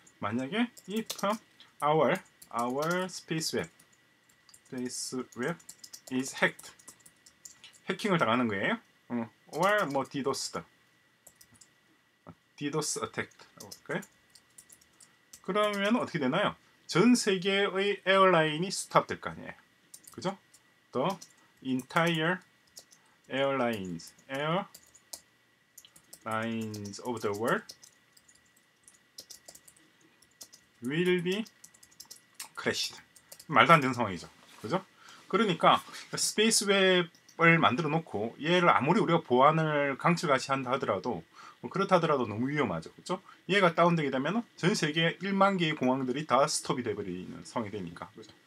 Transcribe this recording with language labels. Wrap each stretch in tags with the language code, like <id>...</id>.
<ko>만약에</ko> <en>if our space web is hacked,</en> <ko>해킹을 당하는 거예요. Or 뭐 DDoS attack라고 할까요? 그러면 어떻게 되나요? 전 세계의 에어라인이 스탑될 거 아니에요, 그죠?</ko> <en>The entire airlines of the world will be crashed.</en> <ko>말도 안 되는 상황이죠, 그죠? 그러니까 스페이스 웹을 만들어 놓고 얘를 아무리 우리가 보안을 강철같이 한다 하더라도 그렇다더라도 너무 위험하죠, 그죠? 얘가 다운되게 되면 전 세계 1만 개의 공항들이 다 스톱이 되버리는 상황이 되니까, 그죠?</ko>